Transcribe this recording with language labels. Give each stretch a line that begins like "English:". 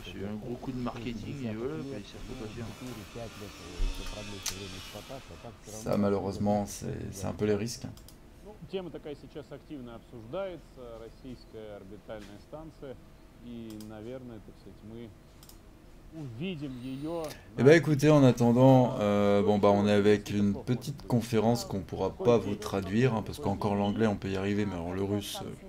French: C'est un gros coup de marketing et voilà, mais ça peut pas faire. Ça, malheureusement, c'est un peu les risques.
Russian: Тема такая сейчас активно обсуждается, российская орбитальная станция, и, наверное, так сказать, мы увидим ее...
French: Eh bien, écoutez, en attendant, on est avec une petite conférence qu'on ne pourra pas vous traduire, hein, parce qu'encore l'anglais, on peut y arriver, mais alors le russe...